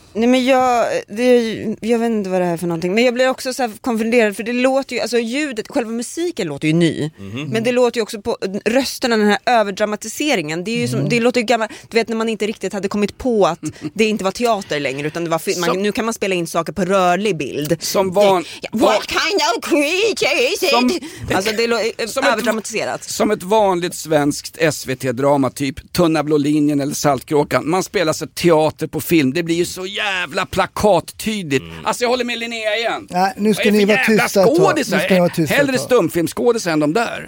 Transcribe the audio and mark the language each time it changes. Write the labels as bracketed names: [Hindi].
[Swedish] Nej, men jag vet inte vad det här är för någonting. Men jag blir också så här konfunderad. För det låter ju, alltså ljudet, själva musiken låter ju ny. Mm-hmm. Men det låter ju också på rösterna, den här överdramatiseringen. Det är ju som, det låter ju gammal. Du vet, när man inte riktigt hade kommit på att det inte var teater längre, utan det var nu kan man spela in saker på rörlig bild. Som van, [English] what kind of creature is it? [Swedish] Alltså det låter överdramatiserat. Som ett vanligt svenskt SVT-drama, typ Tunna blå linjen eller Saltkråkan. Man spelar så teater på film. Det blir ju så jävla plakattydigt. Mm. Alltså jag håller med Linnea igen. Nej, nu ska ni vara tysta. Hellre stumfilmskådisar än de där.